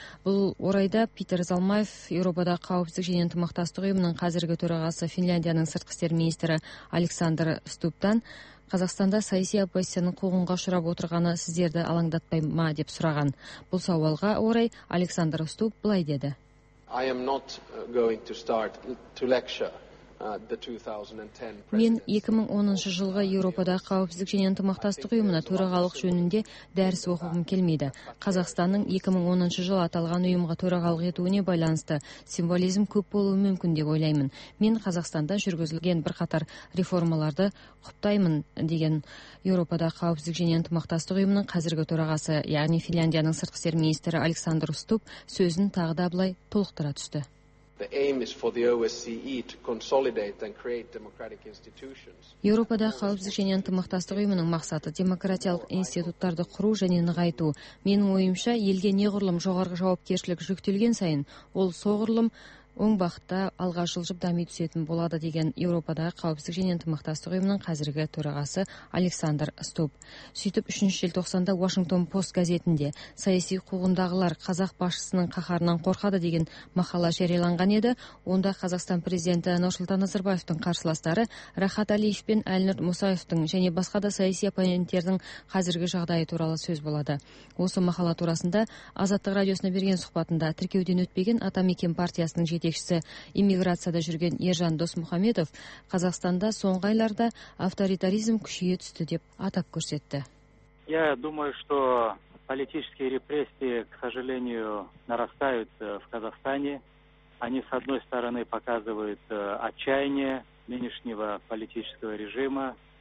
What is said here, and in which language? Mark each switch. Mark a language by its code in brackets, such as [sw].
[kk] Бұл орайда Питер Залмаев Еуропадағы қауіпсіздік және ынтымақтастық ұйымының қазіргі төрағасы Финляндияның сыртқы істер министрі Александр Ступтан Қазақстанда саяси оппозицияның қуғынға ұшырап отырғаны сіздерді алаңдатпай ма деп сұраған. Бұл сауалға орай Александр Ступ былай деді. [en] I am not going to start to lecture. [kk] Мен 2010 жылғы Еуропада қауіпсіздік және ынтымақтастық ұйымына төрағалық жөнінде дәріс оқығым келмейді. Қазақстанның 2010 жылы аталған ұйымға төрағалық етуіне байланысты символизм көп болуы мүмкін деп ойлаймын. Мен Қазақстанда жүргізілген бірқатар реформаларды құптаймын деген Еуропада қауіпсіздік және ынтымақтастық ұйымының қазіргі төрағасы, яғни Финляндияның сыртқы істер министрі Александр Ступ сөзін тағы да былай толықтыра түсті. [en] The aim is for the OSCE to consolidate and create democratic institutions. [kk] Еуропада қауіпсіздік және ынтымақтастық ұйымының мақсаты демократиялық институттарды құру және нығайту. Менің ойымша, елге неғұрлым жоғары жауапкершілік жүктелген сайын, ол соғұрлым оң бағытта алға жылжып дами түсетін болады деген Еуропада қауіпсіздік және ынтымақтастық ұйымының қазіргі төрағасы Александр Ступ. Сөйтіп 3-ші желтоқсанда Washington Post газетінде саяси қуғындағылар қазақ басшысының қаһарынан қорқады деген мақала жарияланған еді. Онда Қазақстан президенті Нұрсұлтан Назарбаевтың қарсыластары Рахат Алиев пен Әлнұр Мұсаевтың және басқа да саяси оппоненттердің қазіргі жағдайы туралы сөз болады. Осы мақала турасында Азаттық радиосына берген сұхбатында тіркеуден өтпеген Атамекен партиясының жетекшісі иммиграцияда жүрген Ержан Досмұхамедов Қазақстанда соңғы айларда авторитаризм күшейе түсті деп атап көрсетті. [ru] Я думаю, что политические репрессии, к сожалению, нарастают в Казахстане. Они с одной стороны показывают отчаяние нынешнего политического режима,